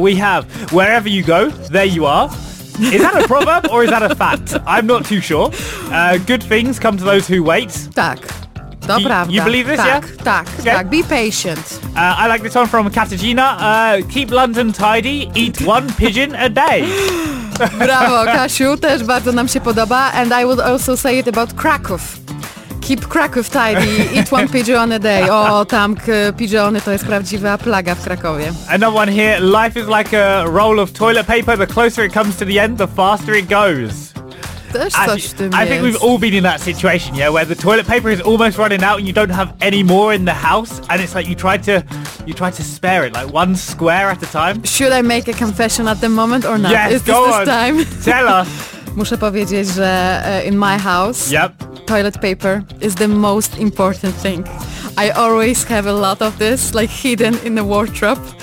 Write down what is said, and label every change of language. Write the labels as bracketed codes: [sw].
[en] We have, wherever you go, there you are. Is that a proverb or is that a fact? I'm not too sure. Good things come to those who wait. [pl] Tak. To prawda. [en] You believe this, [pl] tak, [en] yeah? [pl] Tak, [en] okay. Tak. Be patient. I like this one from Katarzyna. Keep London tidy, eat one pigeon a day. [pl] Brawo, Kasiu, też bardzo nam się podoba. [en] And I would also say it about Kraków. Keep Kraków tidy, eat one pigeon a day. [pl] O, tam pigeony, to jest prawdziwa plaga w Krakowie. [en] Another one here. Life is like a roll of toilet paper. The closer it comes to the end, the faster it goes. I think we've all been in that situation, yeah, where the toilet paper is almost running out and you don't have any more in the house, and it's like you try to spare it, like one square at a time. Should I make a confession at the moment or not? Yes, is go this on. This time? Tell us. [pl] Muszę powiedzieć, że [en] in my house, yep, toilet paper is the most important thing. I always have a lot of this, like hidden in the wardrobe.